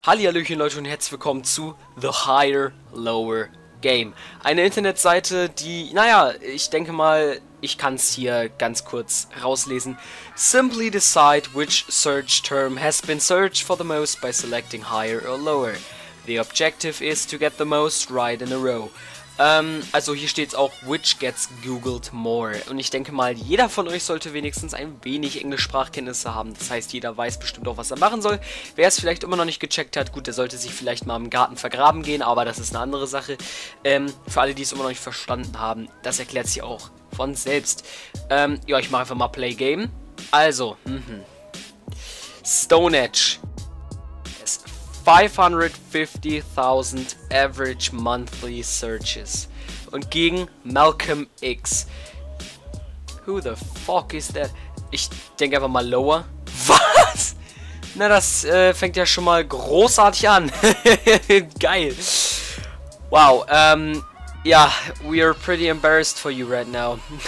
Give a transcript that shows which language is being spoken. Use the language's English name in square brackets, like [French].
[German] Hallihallöchen Leute und herzlich willkommen zu The Higher Lower Game. Eine Internetseite, die, naja, ich denke mal, ich kann es hier ganz kurz rauslesen. [English] Simply decide which search term has been searched for the most by selecting higher or lower. The objective is to get the most right in a row. [German] Also hier steht's auch, [English] which gets googled more. [German] Und ich denke mal, jeder von euch sollte wenigstens ein wenig Englischsprachkenntnisse haben. Das heißt, jeder weiß bestimmt auch, was er machen soll. Wer es vielleicht immer noch nicht gecheckt hat, gut, der sollte sich vielleicht mal im Garten vergraben gehen, aber das ist eine andere Sache. Für alle, die es immer noch nicht verstanden haben, das erklärt sich auch von selbst. Ja, ich mache einfach mal Play Game. Also, Stone Age. [English] 550.000 average monthly searches. [German] Und gegen Malcolm X. [English] Who the fuck is that? [German] Ich denke einfach mal lower. Was? Na, das fängt ja schon mal großartig an. Geil. Wow. [English] Yeah, we are pretty embarrassed for you right now.